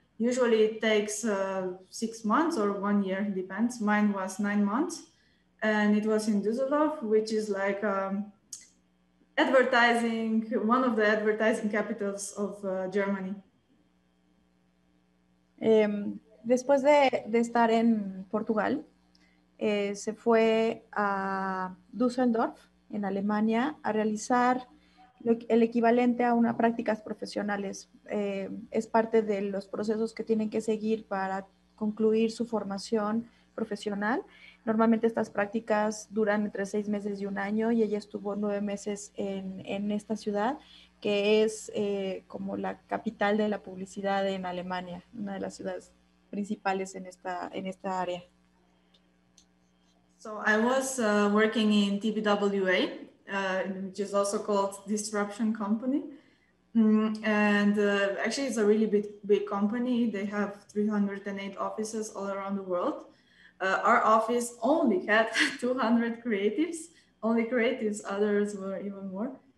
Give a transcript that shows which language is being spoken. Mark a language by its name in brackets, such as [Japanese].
[English] Usually it takes 6 months or 1 year, depends. Mine was 9 months and it was in Düsseldorf, which is like advertising, one of the advertising capitals of Germany. [Spanish] Después de estar en Portugal, se fue a Düsseldorf, en Alemania, a realizar el equivalente a unas prácticas profesionales. Es parte de los procesos que tienen que seguir para concluir su formación profesional. Normalmente estas prácticas duran entre 6 meses y 1 año y ella estuvo 9 meses en esta ciudad, que es como la capital de la publicidad en Alemania, una de las ciudades principales en esta área. [English] So I was working in TBWA, which is also called Disruption Company. And actually it's a really big company. They have 308 offices all around the world. Our office only had 200 creatives, only creatives, others were even more.